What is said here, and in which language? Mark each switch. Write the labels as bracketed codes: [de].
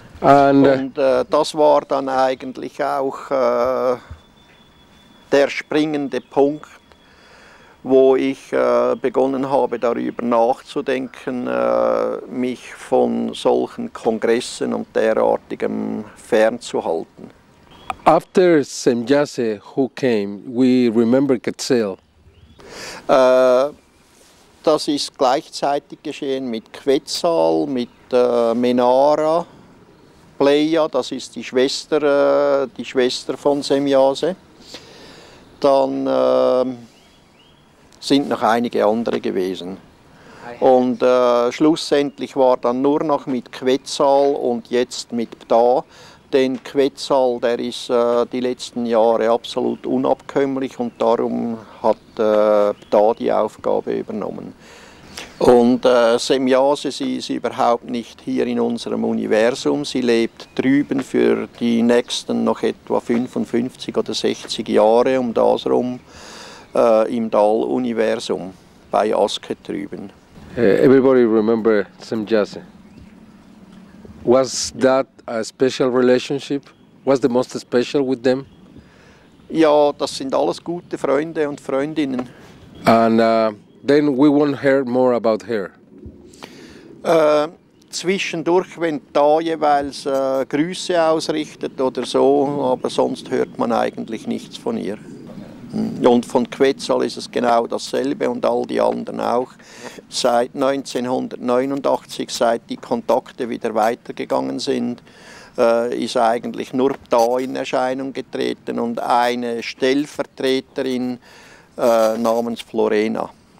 [de] Das war dann eigentlich auch der springende Punkt, wo ich begonnen habe, darüber nachzudenken, mich von solchen Kongressen und derartigem fernzuhalten. [en] After Semyase, who came, we remember Quetzal. [de] Das ist gleichzeitig geschehen mit Quetzal, mit Menara, Pleia, das ist die Schwester von Semyase. Dann sind noch einige andere gewesen. Und schlussendlich war dann nur noch mit Quetzal und jetzt mit Ptah. Denn Quetzal, der ist die letzten Jahre absolut unabkömmlich und darum hat Ptah die Aufgabe übernommen. Und Semyase, sie ist überhaupt nicht hier in unserem Universum. Sie lebt drüben für die nächsten noch etwa 55 oder 60 Jahre um das rum im Dal-Universum bei Aske drüben. [en] Everybody remember Semyase. Was that a special relationship? Was the most special with them? [de] Ja, das sind alles gute Freunde und Freundinnen. [en] And then we won't hear more about her. [de] Zwischendurch, wenn da jeweils Grüße ausrichtet oder so, aber sonst hört man eigentlich nichts von ihr. Und von Quetzal ist es genau dasselbe und all die anderen auch. Seit 1989, seit die Kontakte wieder weitergegangen sind, ist eigentlich nur da in Erscheinung getreten und eine Stellvertreterin namens Florena.